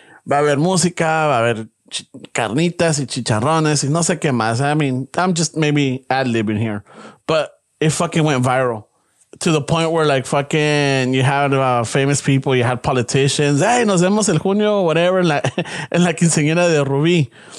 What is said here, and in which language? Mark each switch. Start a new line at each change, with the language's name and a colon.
Spanish: Va a haber música, va a haber carnitas y chicharrones y no sé qué más.
English: I mean, I'm just maybe ad-libbing here, but it fucking went viral. To the point where, like, fucking, you had famous people, you had politicians.
Spanish: Hey, nos vemos el junio, whatever, en la quinceañera de Rubí.